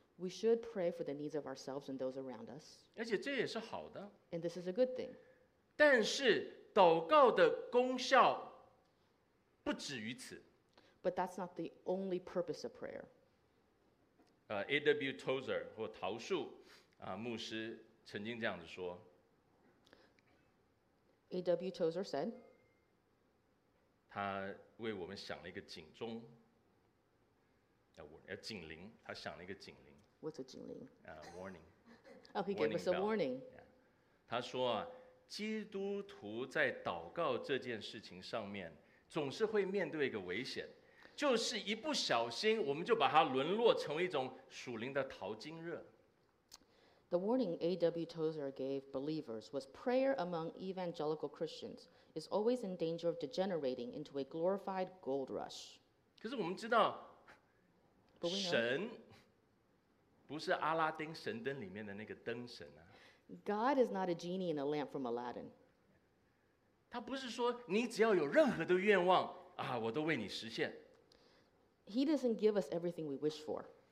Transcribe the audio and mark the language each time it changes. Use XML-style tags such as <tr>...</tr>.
<en>We should pray for the needs of ourselves and those around us.</en> <zh>而且这也是好的。</zh> <en>And this is a good thing.</en> <zh>但是祷告的功效不止于此。</zh> <en>But that's not the only purpose of prayer. A.W.</en> <zh>Tozer 或陶树, 牧师曾经这样子说,</zh> <en>A.W. Tozer said,</en> <zh>他为我们想了一个警钟, 警铃, 他想了一个警铃,</zh> <en>What's a 警铃? Warning. Oh, he gave us a warning. Yeah.</en> <zh>他说, 基督徒在祷告这件事情上面, 总是会面对一个危险, 就是一不小心我们就把它沦落成为一种属灵的淘金热。</zh> <en>The warning A.W. Tozer gave believers was prayer among evangelical Christians is always in danger of degenerating into a glorified gold rush.</en> <zh>可是我们知道, 神不是阿拉丁神灯里面的那个灯神啊。</zh> <en>God is not a genie in a lamp from Aladdin.</en> <zh>他不是说你只要有任何的愿望, 我都为你实现。</zh> <en>He doesn't give us everything we wish for.</en>